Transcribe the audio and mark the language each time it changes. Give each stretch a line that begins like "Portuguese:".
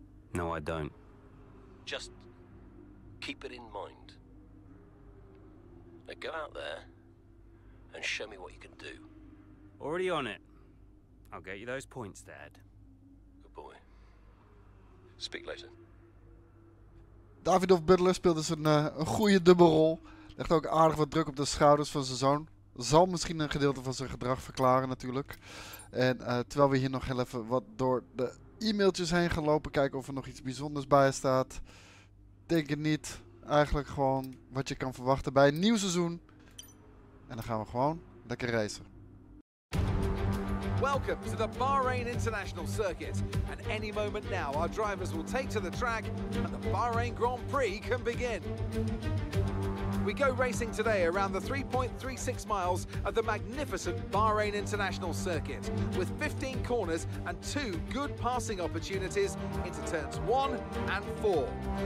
English: No, I don't. Just keep it in mind. Now go out there and show me what you can do. Already on it. I'll get you those points, Dad. Good boy. Speak later.
Dutch: Davidoff Butler speelde dus een goede dubbelrol. Legde ook aardig wat druk op de schouders van zijn zoon. Zal misschien een gedeelte van zijn gedrag verklaren natuurlijk. En terwijl we hier nog even wat door de e-mailtjes heen gelopen, kijken of er nog iets bijzonders bij staat. Denk het niet. Eigenlijk gewoon wat je kan verwachten bij een nieuw seizoen. En dan gaan we gewoon lekker racen.
English: Welcome to the Bahrain International Circuit. And any moment now our drivers will take to the track and the Bahrain Grand Prix can begin. We go racing today around the 3.36 miles of the magnificent Bahrain International Circuit with 15 corners and two good passing opportunities into turns 1 and 4.